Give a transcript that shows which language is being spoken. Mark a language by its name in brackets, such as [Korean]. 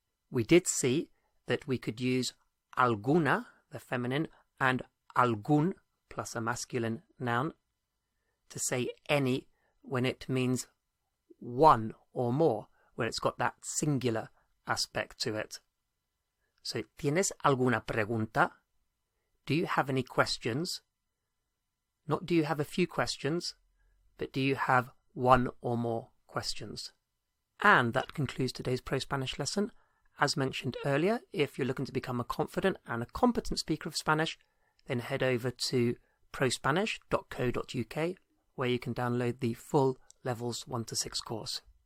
[English] We did see that we could use alguna, the feminine, and algún, plus a masculine noun, to say any when it means one or more, where it's got that singular aspect to it. [Spanish] So, ¿tienes alguna pregunta? [English] Do you have any questions? Not do you have a few questions, but do you have one or more questions? And that concludes today's Pro Spanish lesson. As mentioned earlier, if you're looking to become a confident and a competent speaker of Spanish, then head over to prospanish.co.uk, where you can download the full Levels 1 to 6 course.